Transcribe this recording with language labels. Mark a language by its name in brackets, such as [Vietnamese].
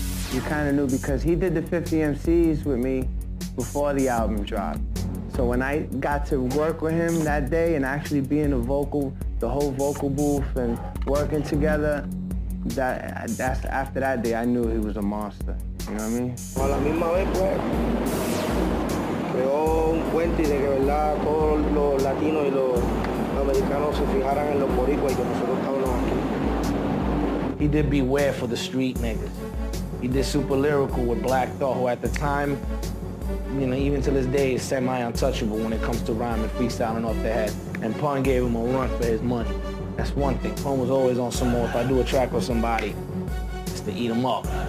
[English] You kinda knew because he did the 50 MCs with me before the album dropped. So when I got to work with him that day and actually be in the whole vocal booth and working together, that's after that day I knew he was a monster. You know what I mean? [Spanish] A la misma vez pues, creó un puente y de que verdad todos los latinos y los americanos se fijaran en los boricuas y que nosotros estábamos aquí. [English] He did Beware for the street niggas. He did Super Lyrical with Black Thought, who at the time, you know, even to this day, is semi-untouchable when it comes to rhyming, freestyling off the head. And Pun gave him a run for his money. That's one thing. Pun was always on some more. If I do a track with somebody, it's to eat him up.